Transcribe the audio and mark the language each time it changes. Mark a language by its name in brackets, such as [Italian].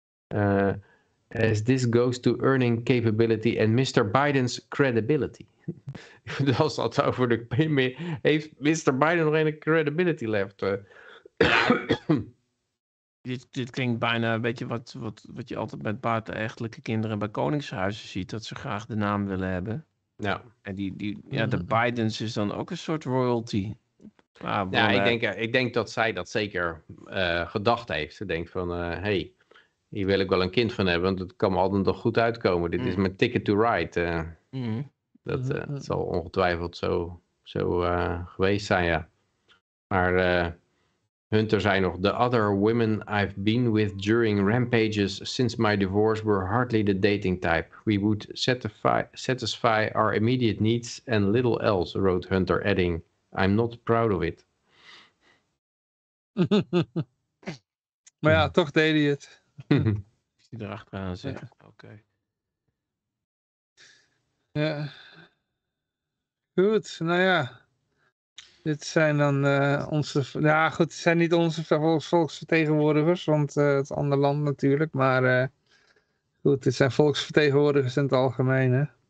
[English] As this goes to earning capability and Mr. Biden's credibility. [Dutch] Als dat over de premier, heeft Mr. Biden nog een [English] credibility left? [Dutch] dit klinkt bijna een beetje wat je altijd met buitenechtelijke kinderen bij koningshuizen ziet, dat ze graag de naam willen hebben. Ja. En die de Bidens is dan ook een soort royalty. Ja, ik denk dat zij dat zeker gedacht heeft. Ze denkt van, hey, hier wil ik wel een kind van hebben, want het kan me altijd nog goed uitkomen. Dit is mijn [English] ticket to ride. [Dutch] Dat zal ongetwijfeld zo geweest zijn, ja. Maar Hunter zei nog: [English] the other women I've been with during rampages since my divorce were hardly the dating type. We would satisfy our immediate needs and little else, wrote Hunter, adding, I'm not proud of it. [Dutch] Maar ja, toch deed hij het. Als hij erachteraan zegt, oké. Ja. Goed, nou ja. Dit zijn dan onze... Ja, goed, het zijn niet onze volksvertegenwoordigers, want het andere land natuurlijk, maar goed, dit zijn volksvertegenwoordigers in het algemeen, hè.